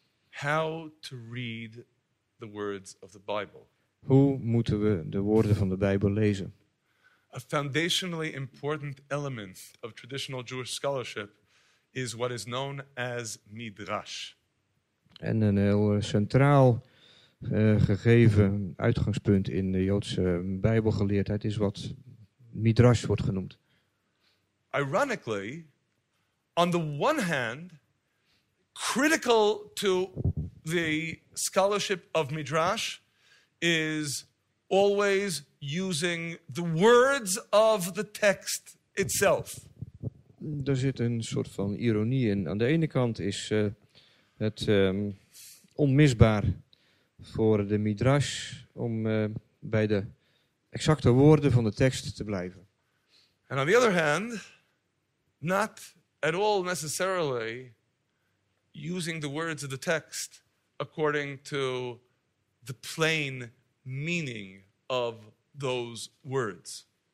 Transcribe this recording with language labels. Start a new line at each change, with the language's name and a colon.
English: How to read the words of the Bible.
Dutch: Hoe moeten we de woorden van de Bijbel lezen?
English: A foundationally important element of traditional Jewish scholarship is what is known as Midrash.
Dutch: En een heel centraal gegeven uitgangspunt in de Joodse Bijbelgeleerdheid is wat Midrash wordt genoemd.
English: Ironically, on the one hand, critical to the scholarship of Midrash is always using the words of the text itself.
Dutch: Er zit een soort van ironie in. Aan de ene kant is het onmisbaar voor de Midrash om bij de exacte woorden van de tekst te blijven.
English: And on the other hand, not at all necessarily using the words of the text according to the plain meaning of those words.